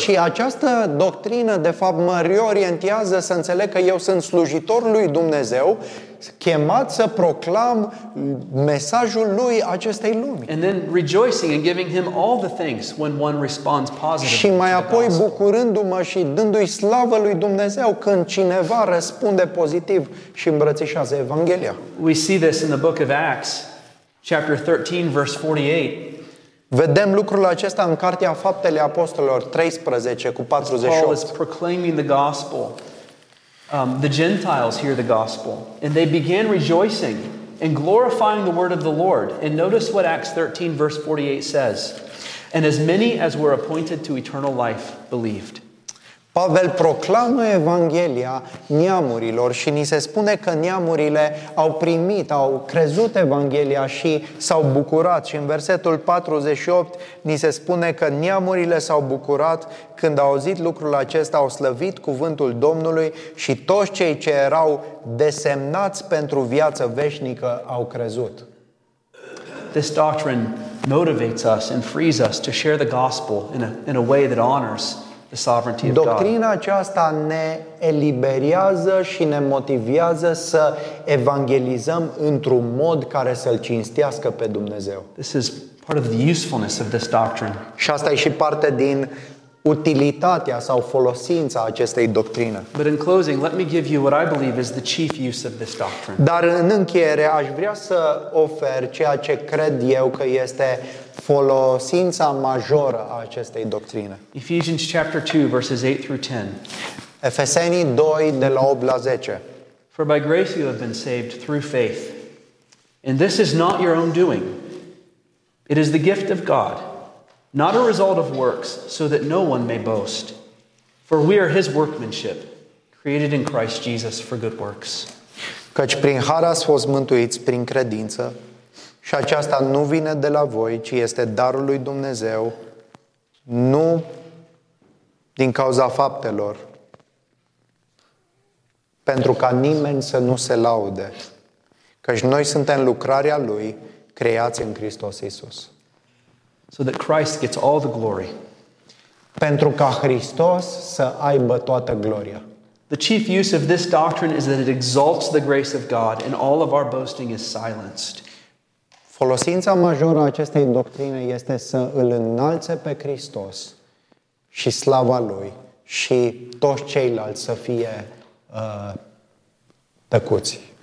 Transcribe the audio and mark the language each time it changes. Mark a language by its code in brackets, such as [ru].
[ro] Și această doctrină, de fapt, mă reorientează să înțeleg că eu sunt slujitorul lui Dumnezeu, chemat să proclam mesajul lui acestei lumi. [en] And then rejoicing and giving him all the thanks when one responds positively. [ro] Și mai apoi bucurându-mă și dându-i slavă lui Dumnezeu când cineva răspunde pozitiv și îmbrățișează Evanghelia. [en] We see this in the book of Acts, chapter 13, verse 48. [ro] Vedem lucrul acesta în Cartea Faptele Apostolilor 13 cu 48. [en] Paul is proclaiming the gospel. The Gentiles hear the gospel, and they began rejoicing and glorifying the word of the Lord. And notice what Acts 13, verse 48 says. And as many as were appointed to eternal life believed. [ro] Pavel proclamă Evanghelia neamurilor și ni se spune că neamurile au primit, au crezut Evanghelia și s-au bucurat. Și în versetul 48 ni se spune că neamurile s-au bucurat când au auzit lucrul acesta, au slăvit cuvântul Domnului și toți cei ce erau desemnați pentru viață veșnică au crezut. [en] This doctrine motivates us and frees us to share the gospel in a way that honors the sovereignty of God. [ro] Doctrina aceasta ne eliberează și ne motivează să evangelizăm într-un mod care să-l cinstească pe Dumnezeu. [en] This is part of the usefulness of this doctrine. [ro] Și asta e și parte din utilitatea sau folosința acestei doctrine. [en] But in closing, let me give you what I believe is the chief use of this doctrine. [ro] Dar în încheiere, aș vrea să ofer ceea ce cred eu că este folosința majoră a acestei doctrine. [en] Ephesians chapter 2, verses 8 through 10. [ro] Efesenii 2, de la 8 la 10. [en] For by grace you have been saved through faith. And this is not your own doing. It is the gift of God, not a result of works, so that no one may boast. For we are his workmanship, created in Christ Jesus for good works. [ro] Căci prin har ați fost mântuiți prin credință, și aceasta nu vine de la voi, ci este darul lui Dumnezeu, nu din cauza faptelor, pentru ca nimeni să nu se laude, căci noi suntem lucrarea lui, creați în Hristos Iisus. [en] So that Christ gets all the glory. [ro] Pentru ca Hristos să aibă toată gloria. [en] The chief use of this doctrine is that it exalts the grace of God and all of our boasting is silenced. [ro] Folosința majoră a acestei doctrine este să îl înalțe pe Hristos și slava Lui și toți ceilalți să fie tăcuți.